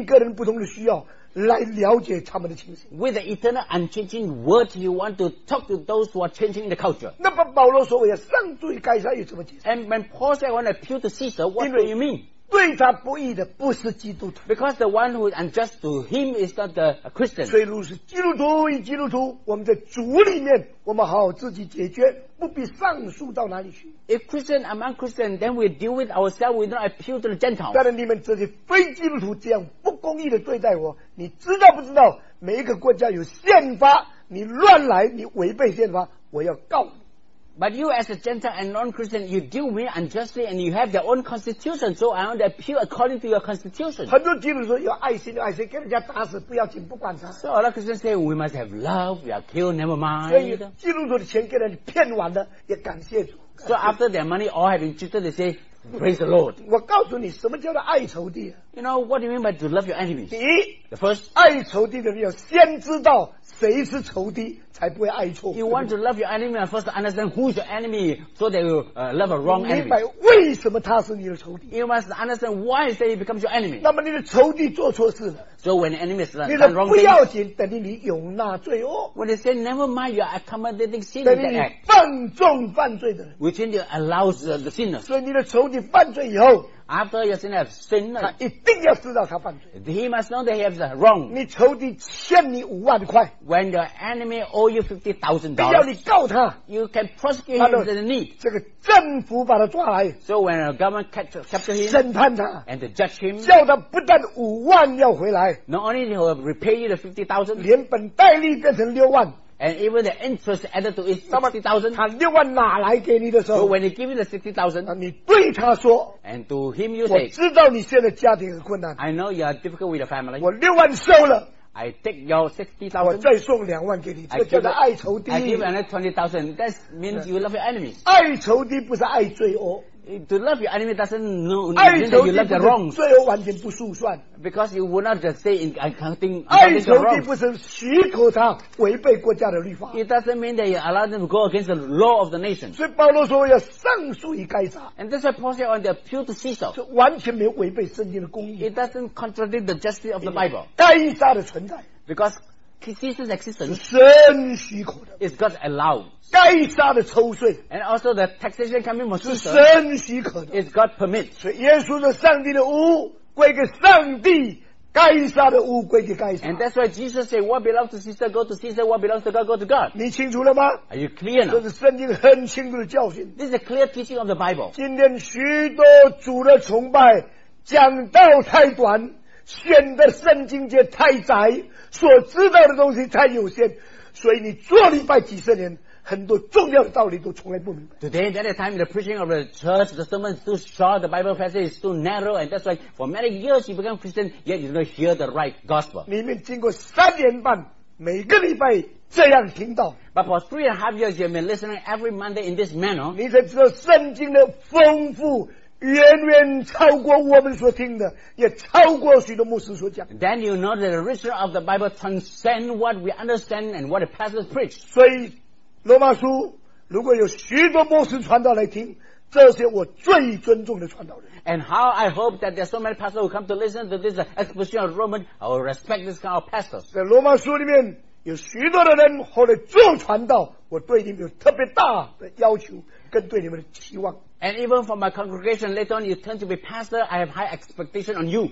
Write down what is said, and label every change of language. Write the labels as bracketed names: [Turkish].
[Chinese] 乃是他以永远不变的道，在能改变别人的事情上，适应个人不同的需要，来了解他们的情形。 [English] With the eternal unchanging word, he want to talk to those who are changing the culture. [Chinese] 那么保罗说我要上诉于该撒，有什么解释？ [English] And when Paul said, I want to appeal to Caesar, what do you mean? [Chinese] 对他不义的不是基督徒。 [English] Because the one who is unjust to him is not a Christian. [Chinese] 所以如果是基督徒与基督徒，我们在主里面，我们好好自己解决，不必上诉到哪里去。 [English] If Christian among Christian, then we deal with ourselves, we don't appeal to the Gentiles. [Chinese] 但是你们这些非基督徒这样不公义的对待我，你知道不知道每一个国家有宪法？你乱来，你违背宪法，我要告你。 [English] But you as a Gentile and non-Christian, you deal with me unjustly and you have your own constitution, so I want to appeal according to your constitution. [Chinese] 很多基督徒说有爱心，有爱心，给人家打死不要紧，不管他。 [English] So a lot of Christians say we must have love, we are killed, never mind. [Chinese] 所以基督徒的钱给人骗完了，也感谢主。 [English] So after their money all have been cheated, they say, praise the Lord. [Chinese] 我告诉你什么叫做爱仇敌。 [English] You know, what do you mean by to love your enemies? [Chinese] 第一 [English] The first, [Chinese] 爱仇敌的人要先知道谁是仇敌才不会爱错。 [English] You want to love your enemy and first understand who is your enemy so that you love a wrong enemy. [Chinese] 明白为什么他是你的仇敌。 [English] You must understand why he becomes your enemy. [Chinese] 那么你的仇敌做错事了。 [English] So when the enemy has done wrong [Chinese] 你的不要紧等于你容纳罪恶。 [English] When they say never mind you are accommodating sin in the act. [Chinese] 等于你放纵犯罪的人。 [English] Which means you allow the sinner. [Chinese] 所以你的仇敌犯罪以后 [English] After your sin has sinned, [Chinese] 他一定要知道他犯罪。 [English] He must know that he has wrong. [Chinese] 你仇敌欠你五万块。 [English] When your enemy owe you $50,000, [Chinese] 要你告他。 [English] You can prosecute him for the need. [Chinese] 这个政府把他抓来。 [English] So when a government capture him, [Chinese] 审判他。 [English] And to judge him, [Chinese] 叫他不但五万要回来。 [English] Not only he will repay you the $50,000, [Chinese] 连本带利变成六万。 [English] And even the interest added to it, $60,000. [Chinese] 他六万哪来给你的时候 [English] ？So when he gave you the $60,000, [Chinese] 你对他说 [English] ，And to him you say, [Chinese] 我知道你现在家庭很困难。 [English] I know you are difficult with the family. [Chinese] 我六万收了。 [English] I take your $60,000. [Chinese] 我再送两万给你，这叫做爱仇敌。 [English] I give another $20,000. That means you love your enemy. [Chinese] 爱仇敌不是爱罪恶。 [English] To love your enemy doesn't know that you love the wrong. [Chinese] 爱仇敌不是罪恶完全不数算。 [English] Because you will not just say in accounting. [Chinese] 爱仇敌不是许可他违背国家的律法。 [English] It doesn't mean that you allow them to go against the law of the nation. [Chinese] 所以保罗说要上诉于该撒。 [English] And that's why Paul said on the appeal to Caesar. [Chinese] 这完全没有违背圣经的公义。 [English] It doesn't contradict the justice of the Bible. [Chinese] 该撒的存在。 [English] Because Caesar's existence. [Chinese] 是神许可的。 [English] Is God allowed. [Chinese] 该杀的抽税 [English] ，and also the taxation coming from [Chinese] 是神许可的 [English] ，is God permit。 [Chinese] 所以耶稣的上帝的屋归给上帝，该杀的屋归给该杀。 [English] And that's why Jesus said, "What belongs to Caesar, go to Caesar. What belongs to God, go to God." [Chinese] 你清楚了吗 [English] ？Are you clear now? [Chinese] 这是圣经很清楚的教训。 [English] This is a clear teaching of the Bible. [Chinese] 今天许多主的崇拜讲道太短，显得圣经界太窄，所知道的东西太有限，所以你做礼拜几十年。很多重要的道理都从来不明白。 [English] Today, at that time, the preaching of the church, the sermon is too short, the Bible passage is too narrow, and that's why for many years you become Christian, yet you don't hear the right gospel. [Chinese] 你们经过三年半，每个礼拜这样听到。 [English] But for 3.5 years, you have been listening every Monday in this manner. [Chinese] 你才知道圣经的丰富。远远超过我们所听的，也超过许多牧师所讲。 [English] Then you know that the richness of the Bible transcends what we understand and what the pastors preach. [Chinese] 所以罗马书如果有许多牧师传道来听，这些我最尊重的传道人。 [English] And how I hope that there are so many pastors who come to listen to this exposition of Romans, I will respect this kind of pastors. [Chinese] 在罗马书里面有许多的人后来做传道，我对你们有特别大的要求跟对你们的期望。 [English] And even for my congregation, later on you turn to be pastor, I have high expectation on you.